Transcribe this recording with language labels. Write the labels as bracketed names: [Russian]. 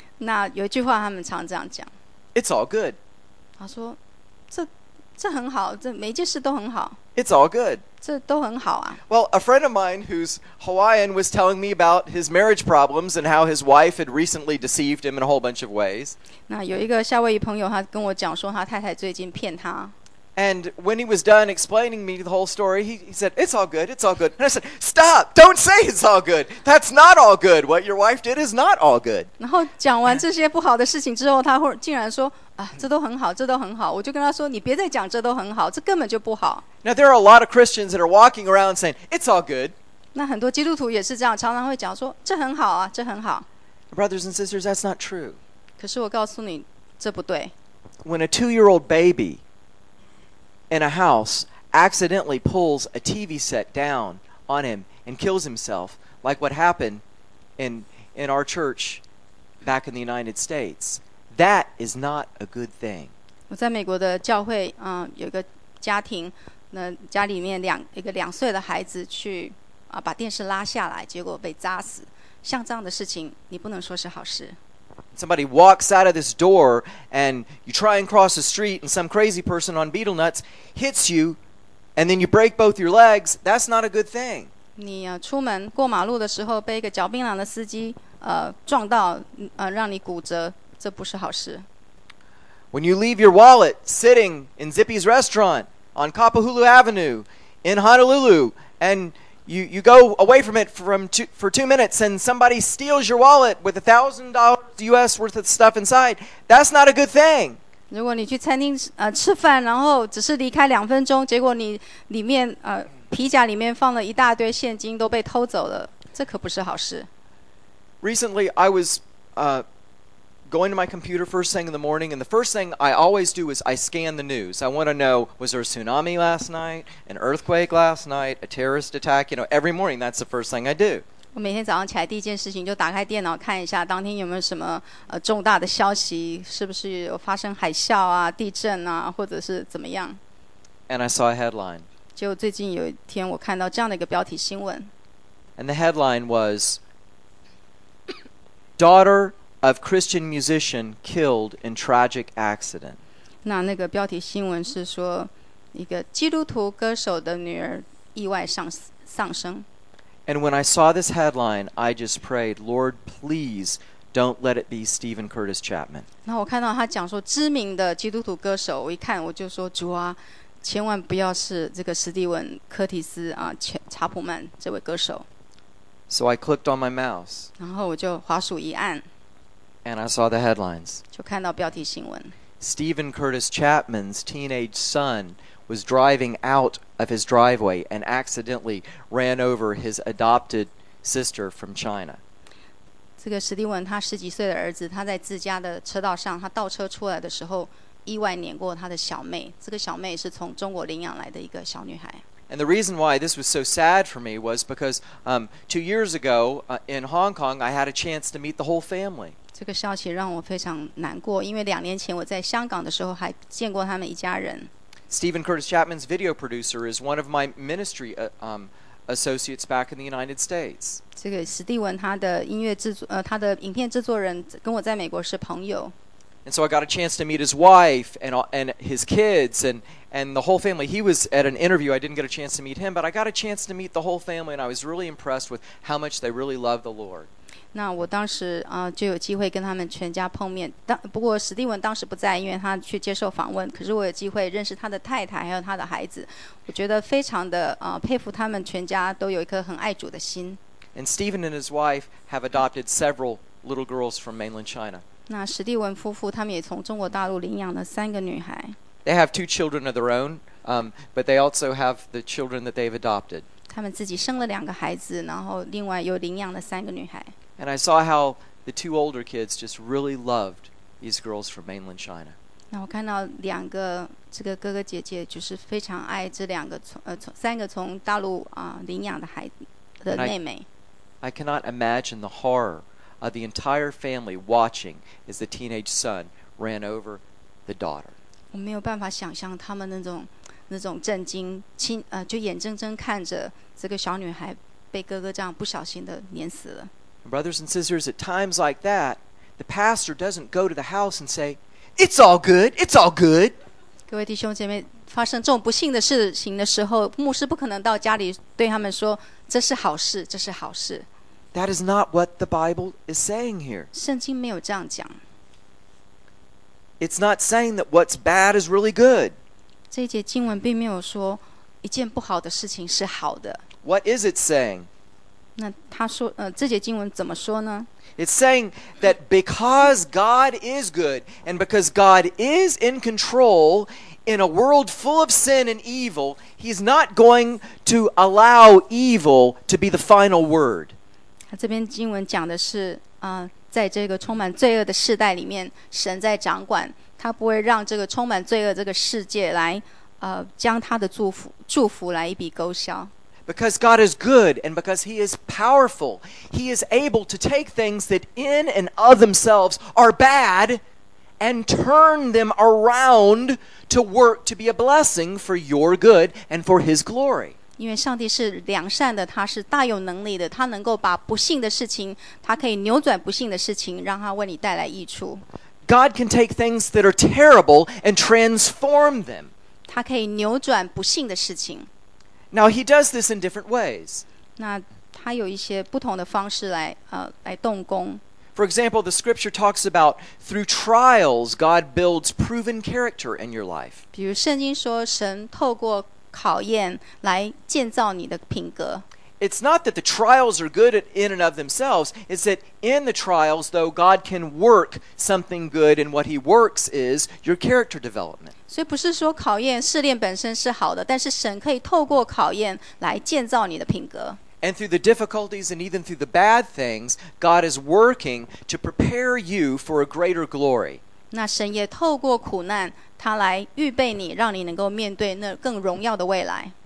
[Chinese] 那有一句话他们常这样讲。 [English] It's all good. [Chinese] 他说，这这很好，这每件事都很好。 [English] It's all good. [Chinese] 这都很好啊。 [English] Well, a friend of mine who's Hawaiian was telling me about his marriage problems and how his wife had recently deceived him in a whole bunch of ways. [Chinese] 那有一个夏威夷朋友，他跟我讲说他太太最近骗他。 [English] And when he was done explaining me the whole story, he said, "It's all good. It's all good." And I said, "Stop! Don't say it's all good. That's not all good. What your wife did is not all good." [Chinese] 然后讲完这些不好的事情之后，他竟然说，啊，这都很好，这都很好。我就跟他说，你别再讲这都很好，这根本就不好。 [English] Now there are a lot of Christians that are walking around saying, "It's all good." [Chinese] 那很多基督徒也是这样，常常会讲说，这很好啊，这很好。 [English] Brothers and sisters, that's not true. [Chinese] 可是我告诉你，这不对。 [English] When a two-year-old baby in a house accidentally pulls a TV set down on him and kills himself, like what happened in our church back in the United States. That is not a good thing. [Chinese] 我在美国的教会，有一个家庭，那家里面一个两岁的孩子去，把电视拉下来，结果被扎死。像这样的事情，你不能说是好事。 [English] Somebody walks out of this door and you try and cross the street and some crazy person on betel nuts hits you and then you break both your legs, that's not a good thing. [Chinese] 你出门过马路的时候被一个嚼槟榔的司机撞到让你骨折，这不是好事。 [English] When you leave your wallet sitting in Zippy's restaurant on Kapahulu Avenue in Honolulu andYou go away from it for 2 minutes and somebody steals your wallet with $1,000 US worth of stuff inside. That's not a good thing. [Chinese] 如果你去餐厅吃饭，然后只是离开两分钟，结果你里面皮夹里面放了一大堆现金都被偷走了，这可不是好事。 [English] Recently, I was going to my computer first thing in the morning, and the first thing I always do is I scan the news. I want to know, was there a tsunami last night, an earthquake last night, a terrorist attack? You know, every morning, that's the first thing I do. [Chinese] 我每天早上起来第一件事情就打开电脑看一下当天有没有什么重大的消息，是不是有发生海啸啊、地震啊，或者是怎么样。 [English] And I saw a headline. [Chinese] 就最近有一天我看到这样的一个标题新闻。 [English] And the headline was, Daughter of Christian musician killed in tragic accident. [Chinese] 那个标题新闻是说一个基督徒歌手的女儿意外丧生。 [English] And when I saw this headline, I just prayed, Lord, please don't let it be Stephen Curtis Chapman. [Chinese] 那我看到他讲说知名的基督徒歌手，我一看我就说主啊，千万不要是这个史蒂文·柯蒂斯啊，查普曼这位歌手。 [English] So I clicked on my mouse. [Chinese] 然后我就滑鼠一按。 [English] And I saw the headlines. [Chinese] 就看到标题新闻。 [English] Stephen Curtis Chapman's teenage son was driving out of his driveway and accidentally ran over his adopted sister from China. [Chinese] 这个史蒂文他十几岁的儿子，他在自家的车道上，他倒车出来的时候，意外碾过他的小妹。这个小妹是从中国领养来的一个小女孩。 [English] And the reason why this was so sad for me was because 2 years ago in Hong Kong, I had a chance to meet the whole family. [Chinese] 这个消息让我非常难过，因为两年前我在香港的时候还见过他们一家人。 [English] Stephen Curtis Chapman's video producer is one of my ministry associates back in the United States. [Chinese] 这个史蒂文他的音乐制作他的影片制作人跟我在美国是朋友。 [English] And so I got a chance to meet his wife and his kids and the whole family. He was at an interview. I didn't get a chance to meet him, but I got a chance to meet the whole family, and I was really impressed with how much they really love the Lord. [Chinese] 那我当时就有机会跟他们全家碰面。不过史蒂文当时不在，因为他去接受访问。可是我有机会认识他的太太还有他的孩子。我觉得非常的佩服他们全家都有一颗很爱主的心。 [English] And Stephen and his wife have adopted several little girls from mainland China. [Chinese] 那史蒂文夫妇他们也从中国大陆领养了三个女孩。 [English] They have 2 children of their own, but they also have the children that they've adopted. [Chinese] 他们自己生了两个孩子，然后另外又领养了三个女孩。 [English] And I saw how the 2 older kids just really loved these girls from mainland China. [Chinese] 那我看到两个这个哥哥姐姐就是非常爱这两个三个从大陆领养的孩子的妹妹。 [English] I cannot imagine the horror of the entire family watching as the teenage son ran over the daughter. [Chinese] 我没有办法想象他们那种震惊，就眼睁睁看着这个小女孩被哥哥这样不小心的碾死了。 [English] Brothers and sisters, at times like that, the pastor doesn't go to the house and say, "It's all good, it's all good." [Chinese] 各位弟兄姐妹，发生这种不幸的事情的时候，牧师不可能到家里对他们说，这是好事，这是好事。 [English] That is not what the Bible is saying here. [Chinese] 圣经没有这样讲。 [English] It's not saying that what's bad is really good. [Chinese] 这一节经文并没有说一件不好的事情是好的。 [English] What is it saying? [Chinese] 那他说，这节经文怎么说呢？ [English] It's saying that because God is good and because God is in control in a world full of sin and evil, He's not going to allow evil to be the final word. [Chinese] 这边经文讲的是，在这个充满罪恶的世代里面，神在掌管，他不会让这个充满罪恶这个世界来，将他的祝福来一笔勾销。 [English] Because God is good and because He is powerful, He is able to take things that in and of themselves are bad and turn them around to work to be a blessing for your good and for His glory. [Chinese] 因为上帝是良善的，他是大有能力的，他能够把不幸的事情，他可以扭转不幸的事情，让他为你带来益处。 [English] God can take things that are terrible and transform them. [Chinese] 他可以扭转不幸的事情。 [English] Now he does this in different ways. [Chinese] 那他有一些不同的方式来，来动工。 [English] For example, the scripture talks about through trials, God builds proven character in your life. [Chinese] 比如圣经说神透过考验来建造你的品格。 [English] It's not that the trials are good in and of themselves, it's that in the trials, though, God can work something good, and what He works is your character development. [Chinese] 所以不是说考验试炼本身是好的，但是神可以透过考验来建造你的品格。 [English] And through the difficulties and even through the bad things, God is working to prepare you for a greater glory. [Chinese] 那神也透过苦难，他来预备你，让你能够面对那更荣耀的未来。